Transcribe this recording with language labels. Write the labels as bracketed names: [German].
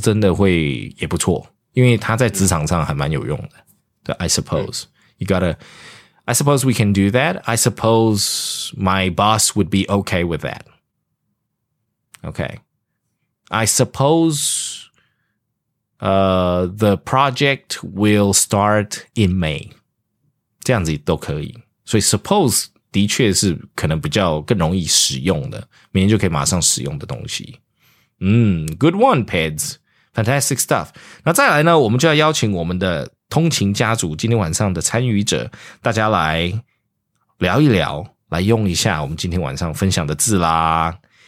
[Chinese] 真的会也不错，因为它在职场上还蛮有用的。 [English] 对 I suppose. I suppose we can do that. I suppose my boss would be okay with that. Okay, I suppose the project will start in May. [Chinese] 这样子都可以，所以 suppose 的确是可能比较更容易使用的，明天就可以马上使用的东西。 [English] Good one, Peds. Fantastic stuff. [Chinese] 那再来呢，我们就要邀请我们的通勤家族今天晚上的参与者，大家来聊一聊，来用一下我们今天晚上分享的字啦。